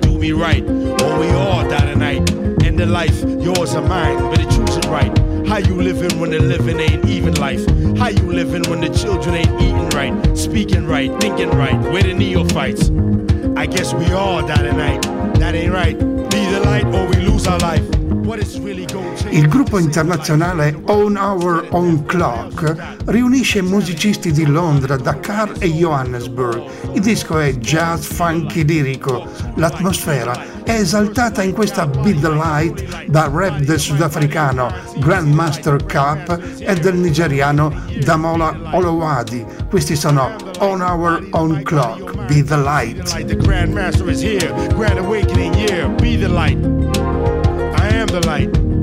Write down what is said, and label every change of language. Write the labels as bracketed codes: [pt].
[en] Do me right, or we all die tonight. End of life, yours or mine, better choose it right. How you living when the living ain't even life? How you living when the children ain't eating right? Speaking right, thinking right, where the neophytes? I guess we all die tonight, that ain't right. Be the light or we lose our life. [it] Il gruppo internazionale On Our Own Clock riunisce musicisti di Londra, Dakar e Johannesburg. Il disco è jazz funky lirico. L'atmosfera è esaltata in questa Be the Light dal rap del sudafricano Grandmaster Cap e del nigeriano Damola Olowadi. Questi sono On Our Own Clock, Be the Light. [en] The Grandmaster is here, Grand Awakening year, Be the Light. I am the light.